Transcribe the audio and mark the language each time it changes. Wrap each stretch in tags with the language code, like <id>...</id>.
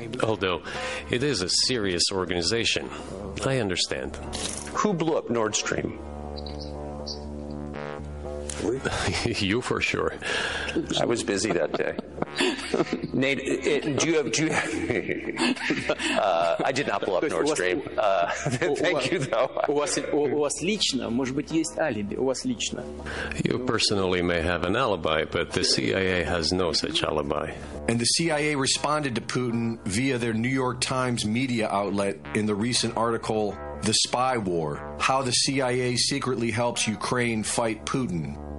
<en>Although, it is a serious organization. I understand. Who blew up Nord Stream? You for sure. I was busy that day. Nate, I did not blow up Nord Stream. Thank you, though.</en> <ru>У вас лично, может быть, есть алиби? У вас лично.</ru> <en>You personally may have an alibi, but the CIA has no such alibi. And the CIA responded to Putin via their New York Times media outlet in the recent article, The Spy War, How the CIA Secretly Helps Ukraine Fight Putin.</en>